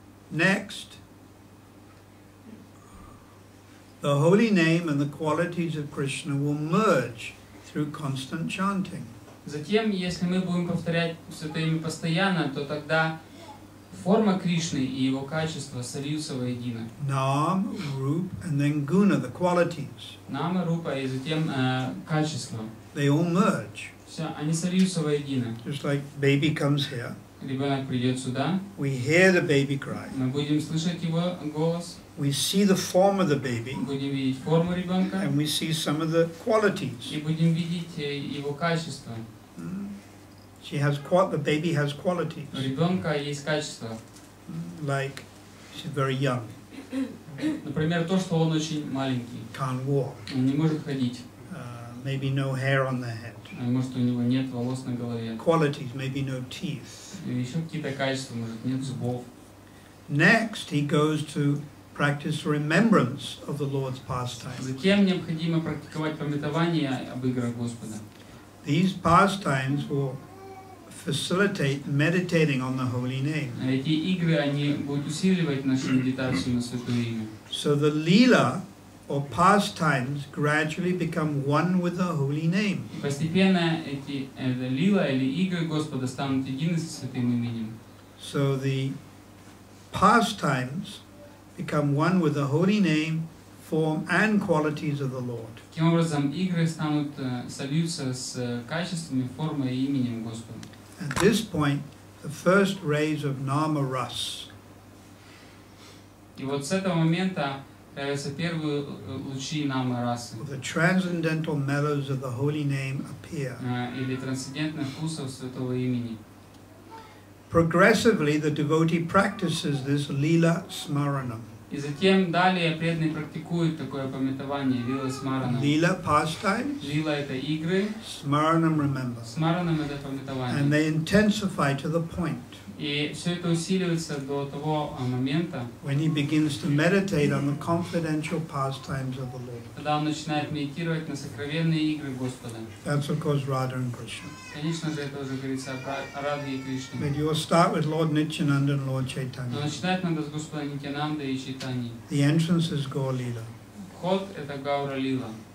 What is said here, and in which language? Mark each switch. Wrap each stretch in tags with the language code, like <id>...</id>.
<en>Next, the holy name and the qualities of Krishna will merge through constant chanting.</en> <ru>Затем, если мы будем повторять святое имя постоянно, то тогда форма Кришны и его качества сольются воедино.</ru> <en>Нам, Рупа, and then Guna, the qualities.</en> <ru>Нам, Рупа, и затем качества.</ru> <en>They all merge.</en> <ru>Все, они сольются воедино.</ru> <en>Just like baby comes here.</en> <ru>Ребенок придет сюда.</ru> <en>We hear the baby cry.</en> <ru>Мы будем слышать его голос.</ru> <en>We see the form of the baby.</en> <ru>Будем видеть форму ребенка.</ru> <en>And we see some of the qualities.</en> <ru>И будем видеть его качества.</ru> <en>The baby has qualities.</en> <ru>Ребенка есть качества.</ru> <en>Like she's very young.</en> <ru>Например, то, что он очень маленький.</ru> <en>Can't walk.</en> <ru>Он не может ходить.</ru> <en>Maybe no hair on the head.</en> <ru>Может, у него нет волос на голове.</ru> <en>Qualities, maybe no teeth.</en> <ru>Еще какие-то качества, может, нет зубов.</ru> <en>Next, he goes to practice remembrance of the Lord's pastimes.</en> <ru>Затем необходимо практиковать памятование об играх Господа.</ru> <en>These pastimes will facilitate meditating on the holy name.</en> <ru>Эти игры они будут усиливать нашу медитацию на святое имя.</ru> <en>So the lila or pastimes gradually become one with the holy name.</en> <ru>Постепенно эти лила или игры Господа станут едины со святым именем.</ru> <en>So the pastimes become one with the holy name, form and qualities of the Lord.</en> <ru>Таким образом игры станут сольются с качествами, формой и именем Господа.</ru> <en>At this point, the first rays of Nama Ras.</en> <ru>И вот с этого момента появятся первые лучи Нама Расы.</ru> <en>The transcendental mellows of the holy name appear.</en> <ru>Или трансцендентных вкусов святого имени.</ru> <en>Progressively, the devotee practices this Lila Smaranam.</en> <ru>И затем далее преданный практикует такое памятование Лила Смаранам.</ru> <en>Lila pastimes.</en> <ru>Лила это игры.</ru> <en>Smaranam remember.</en> <ru>Смаранам это памятование.</ru> <en>And they intensify to the point.</en> <ru>И все это усиливается до того момента.</ru> <en>When he begins to meditate on the confidential pastimes of the Lord.</en> <ru>Когда он начинает медитировать на сокровенные игры Господа.</ru> <en>That's of course Radha and Krishna.</en> <ru>Конечно же это уже говорится о Радхе и Кришне.</ru> <en>But you will start with Lord Nityananda and Lord Chaitanya.</en> <ru>Но начинать надо с Господа Нитьянанды и Чайтаньи.</ru> <en>The entrance is Гаур-лила.</en> <ru>Вход это Гаур-лила.</ru>